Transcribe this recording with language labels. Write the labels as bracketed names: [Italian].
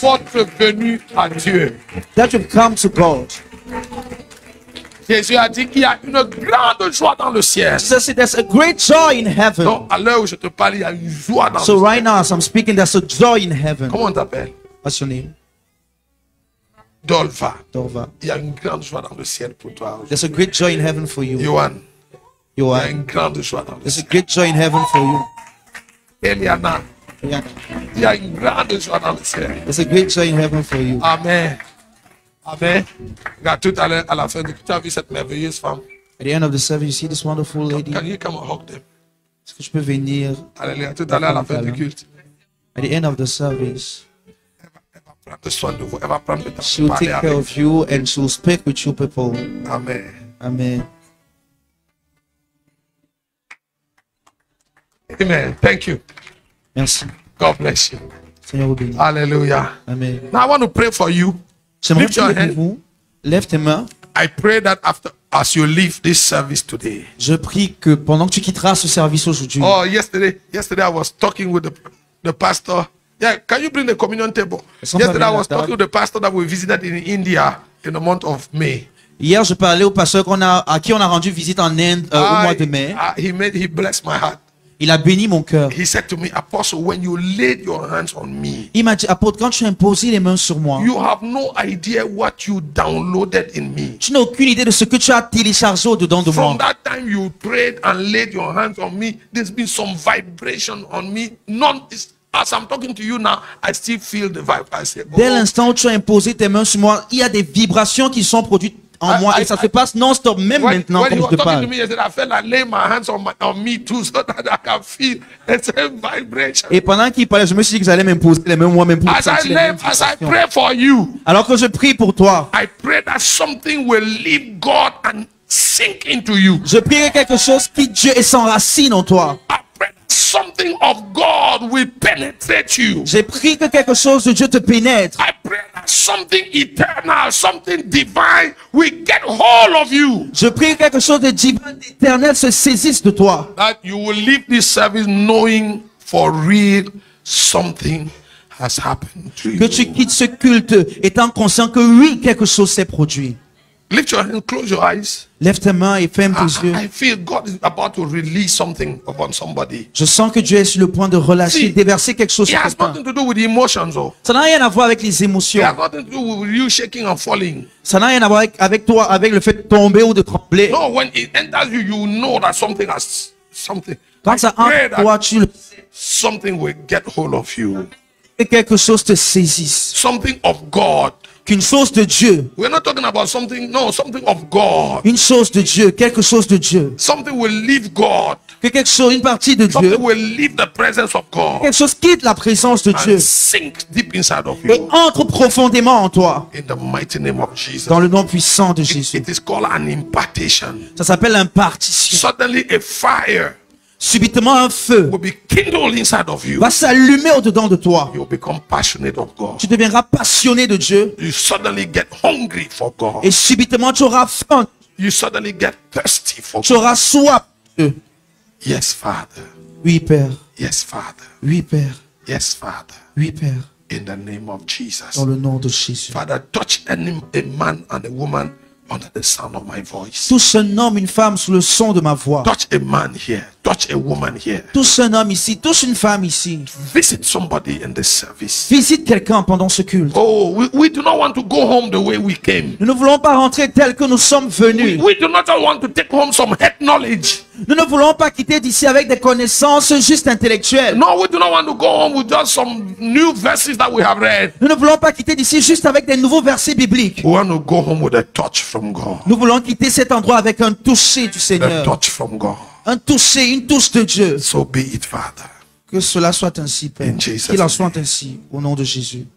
[French] votre venue à Dieu. [English] That you've come to God. [French] Jésus a dit qu'il y a une grande joie dans le ciel. [English] Jesus said there's a great joy in heaven. [French] Donc, à l'heure où je te parle, il y a une joie dans [English] so [French] le ciel. [English] Right now, as I'm speaking, there's a joy in heaven. [French] Comment on t'appelle? [English] What's your name? Dolva. Dolva. [French] Il y a une grande joie dans le ciel pour toi. [English] There's a great joy in heaven for you. Johan. Johan. [French] Il y a une grande joie dans le [English] there's [French] ciel. [English] A great joy in heaven for you. Eliana, yeah. [French] Il y a une grande joie dans le ciel. [English] There's a great joy in heaven for you. Amen. Amen. [French] Regarde tout à l'heure à la fin de tu as vu cette merveilleuse femme. [English] At the end of the service, you see this wonderful lady. Can you come and hug them? [French] Est-ce que je peux venir? Alléluia, tout à l'heure à la fin du culte. [English] At the end of the service, [French] elle va prendre soin de vous. Elle va prendre le temps [English] she will take care of you and she will speak with you people. Amen. Amen. Amen. Thank you. [French] Merci. [English] God bless you. [French] Seigneur vous bénisse. [English] Hallelujah. Amen. Now I want to pray for you. Lift your hand. [French] Lève tes mains. [English] I pray that after, as you leave this service today. [French] Je prie que pendant que tu quitteras ce service aujourd'hui. [English] Oh, yesterday I was talking with the pastor. Yeah, can you bring the communion table? Yesterday I was talking with the pastor that we visited in India in the month of May. [French] Hier, je parlais au pasteur à qui on a rendu visite en Inde au mois de mai. [English] He blessed my heart. [French] Il a béni mon cœur. [English] He said to me, Apostle, when you laid your hands on me. [French] Il m'a dit, apôtre, quand tu as imposé les mains sur moi. [English] You have no idea what you downloaded in me. [French] Tu n'as aucune idée de ce que tu as téléchargé au-dedans de moi. [English] From that time you prayed and laid your hands on me, there's been some vibration on me. As I'm talking to you now, I still feel the vibe. I say, [French] dès l'instant où tu as imposé tes mains sur moi, il y a des vibrations qui sont produites en moi et ça se passe non-stop même maintenant quand je te parle. [English] When he was talking to me, he said, I felt like laying my hands on me too so that I can feel the same vibration. [French] Et pendant qu'il parlait, je me suis dit que j'allais m'imposer les mains moi-même pour sentir les mêmes [English] vibrations. As I pray for you, [French] alors que je prie pour toi, [English] I pray that something will leave God and sink into you. [French] Je prie que quelque chose quitte Dieu et s'enracine en toi. [English] Something of God will penetrate you. [French] J'ai prié que quelque chose de Dieu te pénètre. [English] I pray that something eternal, something divine will get hold of you. [French] Je prie que quelque chose de divin, d'éternel se saisisse de toi. [English] That you will leave this service knowing for real something has happened to you. [French] Que tu quittes ce culte étant conscient que oui, quelque chose s'est produit. [English] Lift your hand, close your eyes. [French] Lève tes mains et ferme tes yeux. [English] I feel God is about to release something upon somebody. [French] Je sens que Dieu est sur le point de relâcher, déverser quelque chose sur toi. [English] It has nothing to do with emotions, though. [French] Ça n'a rien à voir avec les émotions. [English] It has nothing to do with you shaking and falling. [French] Ça n'a rien à voir avec toi, avec le fait de tomber ou de trembler. [English] No, when it enters you, you know that something has something. [French] Quand ça entre toi, tu le [English] sais. Something will get hold of you. [French] Et quelque chose te saisisse. [English] Something of God. [French] Une chose de Dieu. [English] We're not talking about something, no, something of God. [French] Une chose de Dieu, quelque chose de Dieu. [English] Something will leave God. [French] Que quelque chose, une partie de [English] something [French] Dieu. [English] Will leave the presence of God. [French] Que quelque chose quitte la présence de [English] and [French] Dieu. [English] Sink deep inside of you. [French] Et entre profondément en toi. [English] In the mighty name of Jesus. [French] Dans le nom puissant de Jésus. [English] It is called an impartation. [French] Ça s'appelle l'impartition. [English] Suddenly a fire. [French] Subitement un feu [English] will be kindled inside of you. [French] Va s'allumer au-dedans de toi. [English] You'll become passionate of God. [French] Tu deviendras passionné de Dieu. [English] You suddenly get hungry for God. [French] Et subitement tu auras faim. [English] You suddenly get thirsty for [French] tu auras soif. [English] Yes, Father. [French] Oui, Père. [English] Yes, Father. [French] Oui, Père. [English] Yes, Father. [French] Oui, Père. [English] In the name of Jesus. [French] Dans le nom de Jésus. [English] Father, touch a man and a woman under the sound of my voice. [French] Touch un homme, une femme sous le son de ma voix. [English] Touch a man here. Touch a woman here. [French] Touche un homme ici, touche une femme ici. [English] Visit somebody in this service. [French] Visite quelqu'un pendant ce culte. [English] Oh, we do not want to go home the way we came. [French] Nous ne voulons pas rentrer tel que nous sommes venus. [English] We do not want to take home some head knowledge. [French] Nous ne voulons pas quitter d'ici avec des connaissances juste intellectuelles. [English] No, we do not want to go home with just some new verses that we have read. [French] Nous ne voulons pas quitter d'ici juste avec des nouveaux versets bibliques. [English] We want to go home with a touch from God. [French] Nous voulons quitter cet endroit avec un toucher du Seigneur. [English] A touch from God. [French] Un toucher, une touche de Dieu. [English] So be it, Father. [French] Que cela soit ainsi, Père. [English] In Jesus' [French] qu'il en soit ainsi, au nom de Jésus.